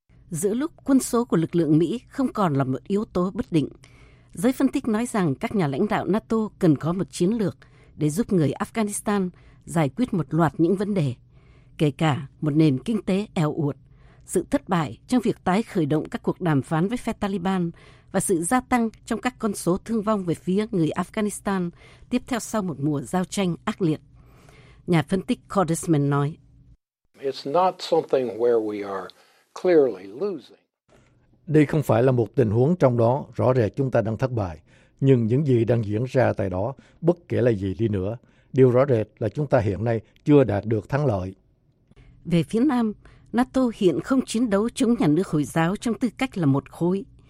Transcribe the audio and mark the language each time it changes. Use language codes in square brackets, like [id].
[vi] Giữa lúc quân số của lực lượng Mỹ không còn là một yếu tố bất định, giới phân tích nói rằng các nhà lãnh đạo NATO cần có một chiến lược để giúp người Afghanistan giải quyết một loạt những vấn đề, kể cả một nền kinh tế eo uột, sự thất bại trong việc tái khởi động các cuộc đàm phán với phe Taliban và sự gia tăng trong các con số thương vong về phía người Afghanistan tiếp theo sau một mùa giao tranh ác liệt. Nhà phân tích Cordesman nói, [en] It's not something where we are clearly losing. [vi] Đây không phải là một tình huống trong đó rõ rệt chúng ta đang thất bại, nhưng những gì đang diễn ra tại đó, bất kể là gì đi nữa, điều rõ rệt là chúng ta hiện nay chưa đạt được thắng lợi. Về phía Nam, NATO hiện không chiến đấu chống nhà nước Hồi giáo trong tư cách là một khối.